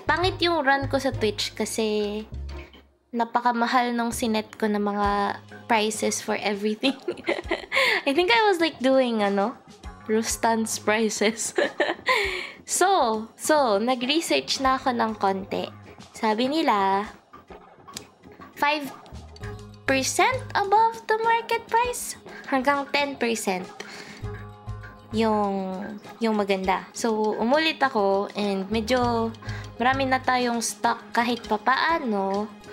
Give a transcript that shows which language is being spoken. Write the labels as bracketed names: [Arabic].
[Filipino] Pangit yung run ko sa Twitch kasi napakamahal nung sinet ko ng mga prices [English] for everything. I think I was like doing ano, Rustan's prices. [Filipino] So nag-research na ako ng konti. Sabi nila 5% [English] above the market price [Filipino] hanggang 10% yung maganda. So umulit ako and medyo marami na tayong stock kahit papaano.